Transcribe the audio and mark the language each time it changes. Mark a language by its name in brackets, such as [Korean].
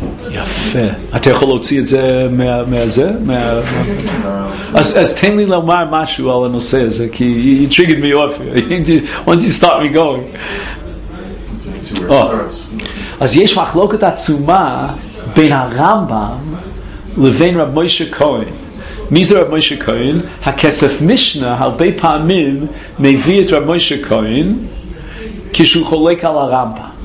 [Hebrew] יפה. אתה יכול להוציא את זה מהזה? אז תן לי לומר משהו על הנושא הזה, כי [English] he triggered me off. Once he started me going. [Hebrew] אז יש מחלוקת עצומה בין הרמב״ם לבין רב משה כהן. מי זה רב משה כהן? הכסף משנה הרבה פעמים מביא את רב משה כהן כשהוא חולק על הרמב״ם.